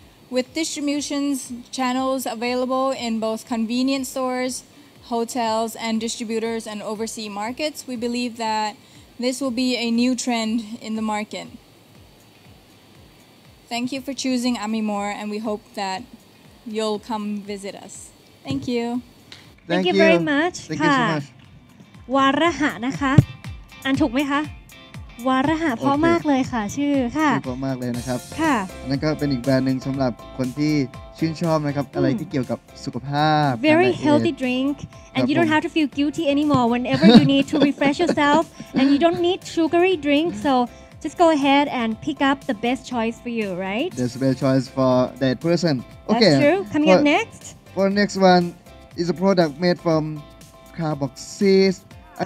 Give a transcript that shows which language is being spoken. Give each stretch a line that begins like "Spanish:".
English: With distribution channels available in both convenience stores, hotels, and distributors and overseas markets, we believe that this will be a new trend in the market. Thank you for choosing Ami More, and we hope that you'll come visit us. Thank you. Thank you very much. Thank you so much.
Thai: วาระหะนะคะอ่านถูกไหมคะวาระหะเพราะมากเลยค่ะชื่อค่ะ เพราะมากเลยนะครับ ค่ะ นั่นก็เป็นอีกแบรนด์นึงสำหรับคนที่ชื่นชอบนะครับอะไรที่เกี่ยวกับสุขภาพ
English: Very healthy drink and you don't have to feel guilty anymore whenever you need to refresh yourself and you don't need sugary drink so just go ahead and pick up the best choice for you, right? That's the best choice for that person. Okay. That's true. Coming up next? For the next one, is a product made from carboxes. Ah.